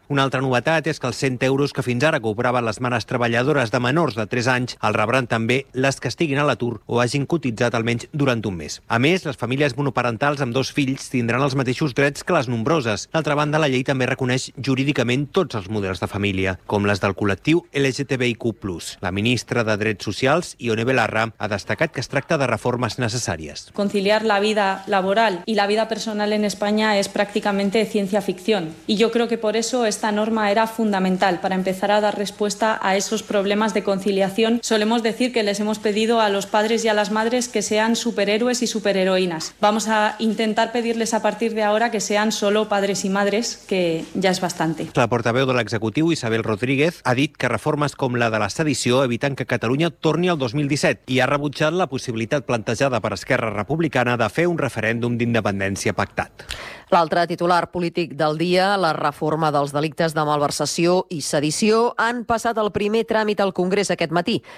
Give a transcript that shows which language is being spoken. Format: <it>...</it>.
<ca>Una altra novetat és que els 100 euros que fins ara cobraven les mares treballadores de menors de 3 anys els rebran també les que estiguin a l'atur o hagin cotitzat almenys durant un mes. A més, les famílies monoparentals amb 2 fills tindran els mateixos drets que les nombroses. D'altra banda, la llei també reconeix jurídicament tots els models de família, com les del col·lectiu LGTBIQ+. La ministra de Drets Socials, Ione Belarra, ha destacat que es tracta de reformes necessàries.</ca> <es>Conciliar la vida laboral y la vida personal en España es prácticamente ciencia ficción. Y yo creo que por eso esta norma era fundamental para empezar a dar respuesta a esos problemas de conciliación. Solemos decir que les hemos pedido a los padres y a las madres que sean superhéroes y superheroínas. Vamos a intentar pedirles a partir de ahora que sean solo padres y madres, que ya es bastante.</es> <ca>La portaveu de l'executiu, Isabel Rodríguez, ha dit que reformes com la de la sedició eviten que Catalunya torni al 2017 i ha rebutjat la possibilitat plantejada per Esquerra Republicana de fer un referèndum d'independència pactat. L'altre titular polític del dia, la reforma dels delictes de malversació i sedició, han passat el primer tràmit al Congrés aquest matí.</ca>